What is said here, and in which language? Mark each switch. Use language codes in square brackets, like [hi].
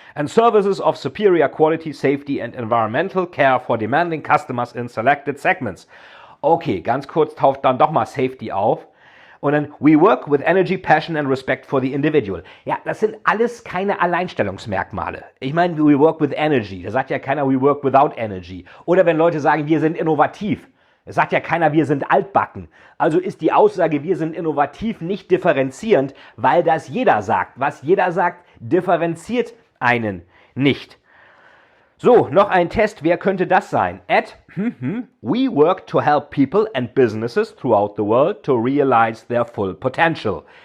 [en] And services of superior quality, safety and environmental care for demanding customers in selected segments. [de] Okay, ganz kurz taucht dann doch mal Safety auf. Und dann, [en] we work with energy, passion and respect for the individual. [de] Ja, das sind alles keine Alleinstellungsmerkmale. Ich meine, [en] we work with energy. [de] Da sagt ja keiner, [en] we work without energy. [de] Oder wenn Leute sagen, wir sind innovativ. Es sagt ja keiner, wir sind altbacken. Also ist die Aussage, wir sind innovativ, nicht differenzierend, weil das jeder sagt. Was jeder sagt, differenziert einen nicht. So, noch ein Test, wer könnte das sein? [en] We work to help people and businesses throughout the world to realize their full potential.